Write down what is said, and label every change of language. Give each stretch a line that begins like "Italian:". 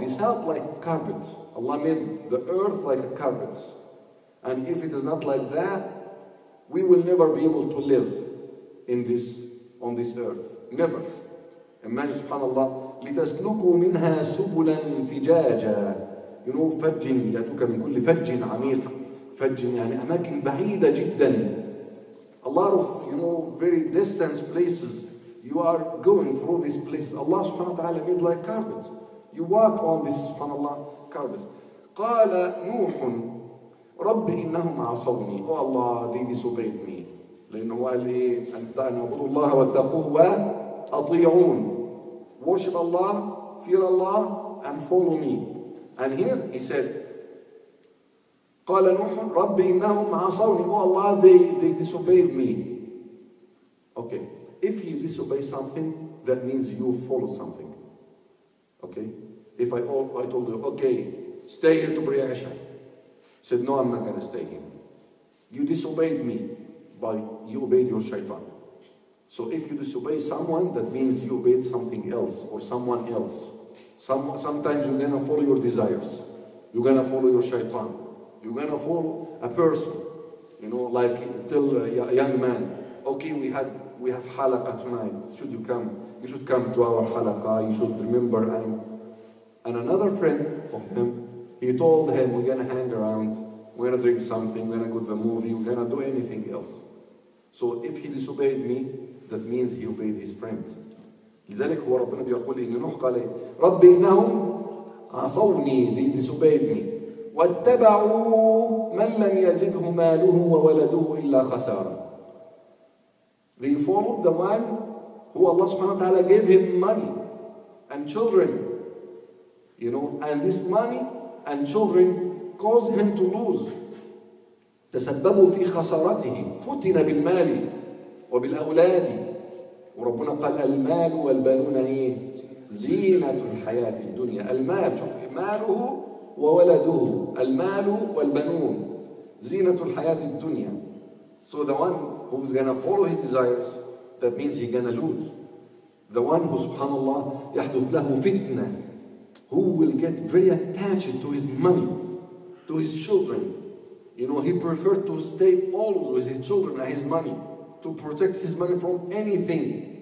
English: بساط like carpet. Allah made the earth like a carpet. And if it is not like that, we will never be able to live in this, on this earth. Never.
Arabic: Imagine, subhanAllah, لتسلكوا منها سبلا فجاجا.
English: You know,
Arabic: فج يأتوك من كل فج عميق. فج يعني أماكن بعيدة جدا.
English: A lot of, you know, very distant places. You are going through these places. Allah subhanahu wa ta'ala made like carpet. You walk on this, subhanAllah, carpet.
Arabic: قال نوح رب إنهم عصوني.
English: Oh Allah, they disobeyed me.
Arabic: لأنه قال إيه؟ أن يعبدوا الله واتقوه وأطيعون.
English: Worship Allah, fear Allah, and follow me. And here he said,
Arabic: قال نوح رب إنهم عصوني.
English: Oh Allah, they disobeyed me. Okay. If you disobey something, that means you follow something. Okay? If I told you, okay, stay here to pray Isha. Said, no, I'm not going to stay here. You disobeyed me, but you obeyed your shaitan. So if you disobey someone, that means you obeyed something else or someone else. Sometimes you're going to follow your desires. You're going to follow your shaitan. You're going to follow a person. You know, like tell a young man, okay, we have halaqah tonight. Should you come? You should come to our halaqah. You should remember. And another friend of him, he told him, we're going to hang around. We're going to drink something. We're going to go to the movie. We're going to do anything else. So if he disobeyed me, that means he obeyed his friend.
Arabic: لذلك هو ربنا بيقول إن نوح قال ربي إنهم عصوني.
English: They disobeyed me.
Arabic: واتبعوا من لم يزده ماله وولده إلا خسارة.
English: They followed the one who Allah subhanahu wa ta'ala gave him money and children. You know, and this money and children caused him to lose.
Arabic: تسببوا في خسارته. فتن بالمال وبالأولاد. وربنا قال المال والبنون إيه؟ زينة الحياة الدنيا. المال شوف ماله وولده. المال والبنون زينة الحياة الدنيا.
English: So the one who's gonna follow his desires, that means he's gonna lose. The one who, subhanAllah,
Arabic: يحدث له فتنة,
English: who will get very attached to his money, to his children. You know, he preferred to stay always with his children and his money, to protect his money from anything.